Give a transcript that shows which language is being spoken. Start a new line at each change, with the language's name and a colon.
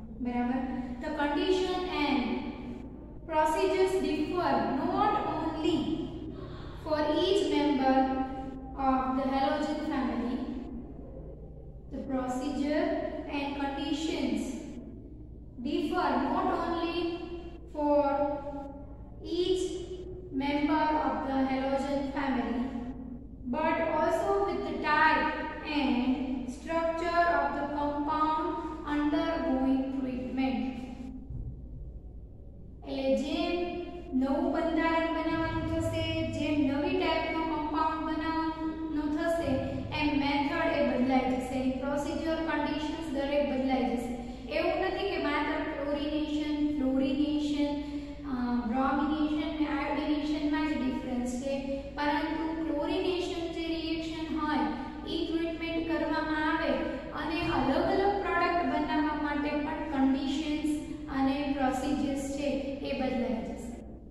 English: બરાબર, the condition and procedures differ not only for each member of the halogen family, the procedure and conditions differ not only for each member halogen family, but also with the type and structure of the compound undergoing treatment.
Gujarati: એટલે જેમ નવું બંધારણ બનાવવાનું થશે, જેમ નવી ટાઈપનો compound બનાવવાનું થશે, એમ મેથડ એ બદલાઈ જશે, પ્રોસિજર કન્ડિશન્સ દરેક બદલાઈ જશે. એવું નથી કે માત્ર ક્લોરિનેશન, ફ્લોરિનેશન, બ્રોમિનેશન અને આયોડિનેશનમાં જ ડિફરન્સ છે, પરંતુ ક્લોરિનેશન જે રિએક્શન હોય એ ટ્રીટમેન્ટ કરવામાં આવે અને અલગ અલગ પ્રોડક્ટ બનાવવા માટે પણ કન્ડિશન્સ અને પ્રોસિજર્સ છે એ બદલાઈ જશે.